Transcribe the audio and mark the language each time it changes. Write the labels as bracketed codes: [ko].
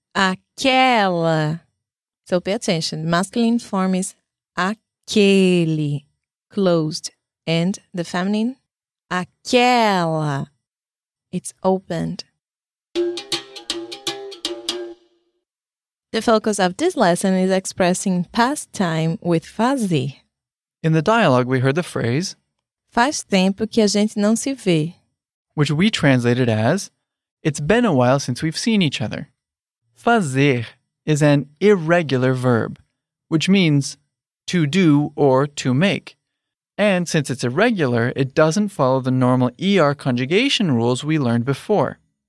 [en] Aquela. So pay attention. Masculine form is aquele, closed. And the feminine, aquela. It's opened. The focus of this lesson is expressing past time with fazer. In the dialogue, we heard the phrase, [pt] faz tempo que a gente não se vê, [en] which we translated as, it's been a while since we've seen each other. Fazer is an irregular verb, which means to do or to make. And since it's irregular, it doesn't follow the normal ER conjugation rules we learned before.